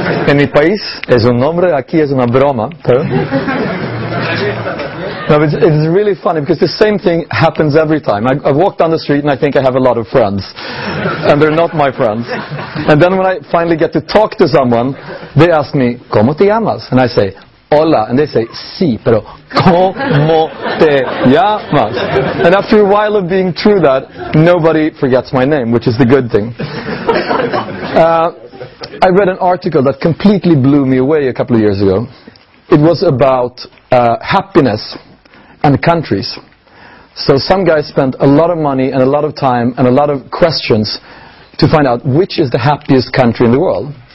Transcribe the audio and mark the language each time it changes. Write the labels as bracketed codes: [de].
[es] En mi país es un nombre, aquí es una broma, pero... [en] No, but it's really funny because the same thing happens every time. I walk down the street and I think I have a lot of friends. And they're not my friends. And then when I finally get to talk to someone, they ask me, [es] ¿Cómo te llamas? [en] And I say, hola. And they say, [es] sí, pero ¿Cómo te llamas? [en] And after a while of being through that, nobody forgets my name, which is the good thing. I read an article that completely blew me away a couple of years ago. It was about happiness and countries. So some guys spent a lot of money and a lot of time and a lot of questions to find out which is the happiest country in the world.